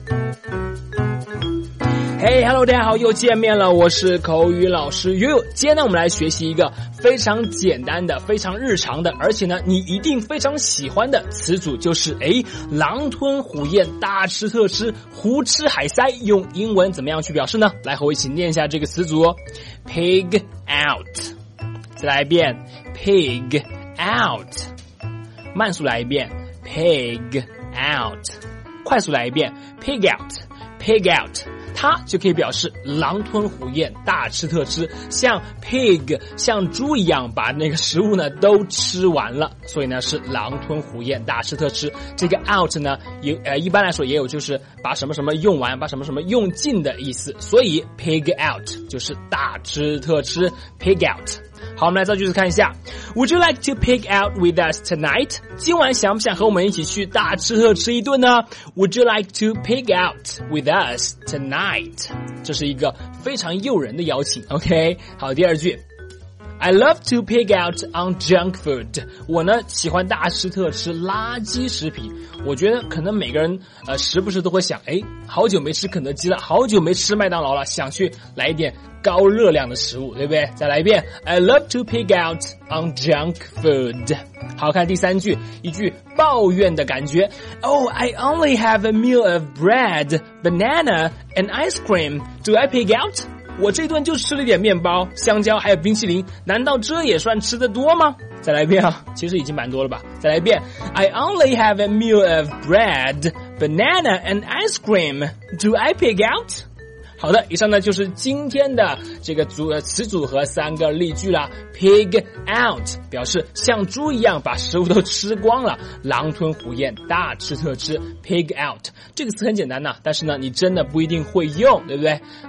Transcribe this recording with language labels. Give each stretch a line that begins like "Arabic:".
English: Hey, hello,
Chinese: 大家好，又见面了，我是口语老师悠悠。今天呢，我们来学习一个非常简单的、非常日常的，而且呢，你一定非常喜欢的词组，就是狼吞虎咽，大吃特吃，胡吃海塞，用英文怎么样去表示呢？来和我一起念一下这个词组哦。 Pig out， 再来一遍 ，pig out， 慢速来一遍 ，pig out， 快速来一遍 ，pig out。 Pig out， 它就可以表示狼吞虎咽，大吃特吃，像 pig， 像猪一样把那个食物呢都吃完了，所以呢是狼吞虎咽，大吃特吃。这个 out 呢，一般来说也有就是把什么什么用完，把什么什么用尽的意思，所以 pig out 就是大吃特吃 ，pig out。好，我们来造句子看一下。
English: Would you like to pig out with us tonight?
Chinese: 今晚想不想和我们一起去大吃特吃一顿呢？
English: Would you like to pig out with us tonight?
Chinese: 这是一个非常诱人的邀请， OK? 好，第二句。
English: I love to pig out on junk food.
Chinese: 我呢喜欢大吃特吃垃圾食品。我觉得可能每个人时不时都会想，好久没吃肯德基了，好久没吃麦当劳了，想去来一点高热量的食物，对不对？再来一遍。
English: I love to pig out on junk food.
Chinese: 好，看第三句，一句抱怨的感觉。
English: Oh, I only have a meal of bread, banana, and ice cream. Do I pig out?
Chinese: 我这顿就吃了点面包、香蕉还有冰淇淋，难道这也算吃得多吗？再来一遍啊，其实已经蛮多了吧。再来一遍。
English: I only have a meal of bread, banana and ice cream. Do I pig out?
Chinese: 好的，以上呢就是今天的这个词组和三个例句啦。 Pig out 表示像猪一样把食物都吃光了，狼吞虎咽，大吃特吃。 Pig out 这个词很简单呐，但是呢，你真的不一定会用，对不对？